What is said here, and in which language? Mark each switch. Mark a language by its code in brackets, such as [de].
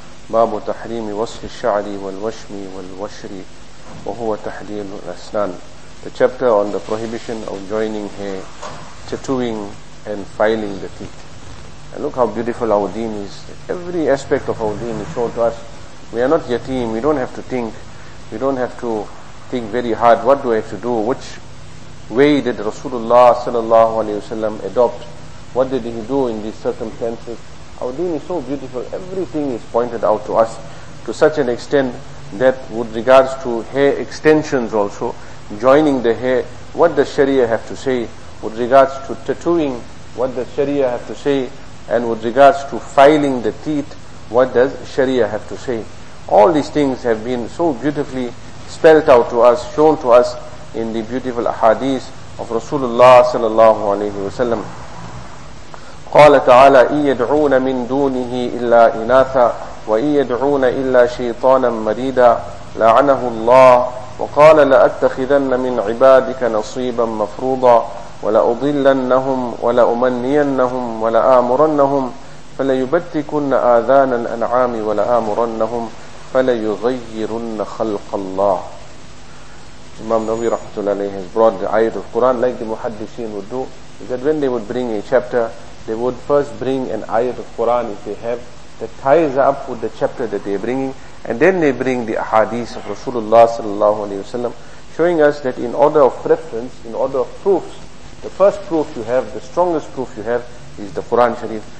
[ar] باب تحريم وصف الشعر والوشم والوشر وهو تحليل الأسنان. [en] The chapter on the prohibition of joining hair, tattooing and filing the teeth. And look how beautiful our deen is. Every aspect of our deen is shown to us. We are not yateem. We don't have to think. We don't have to think very hard. What do I have to do? Which way did Rasulullah sallallahu alayhi wasallam adopt? What did he do in these circumstances? Our deen is so beautiful. Everything is pointed out to us to such an extent that with regards to hair extensions also, joining the hair, what does Sharia have to say? With regards to tattooing, what does Sharia have to say? And with regards to filing the teeth, what does Sharia have to say? All these things have been so beautifully spelled out to us, shown to us in the beautiful ahadith of Rasulullah sallallahu alayhi wa sallam. [ar] قال تعالى إن يدعون من دونه إلا إناثا وإن يدعون إلا شيطانا مريدا لعنه الله وقال لأتخذن من عبادك نصيبا مفروضا ولأضلنهم ولأمنينهم ولآمرنهم فليبتكن آذان الأنعام ولآمرنهم فليغيرن خلق الله. [en] Imam Nawawi rahmatullahi alayhi has brought the ayat of Quran like the muhaddithin would do, that when they would bring a chapter, they would first bring an ayat of Quran if they have, that ties up with the chapter that they are bringing, and then they bring the ahadith of Rasulullah sallallahu alayhi wa sallam, showing us that in order of preference, in order of proofs, the first proof you have, the strongest proof you have, is the Quran Sharif.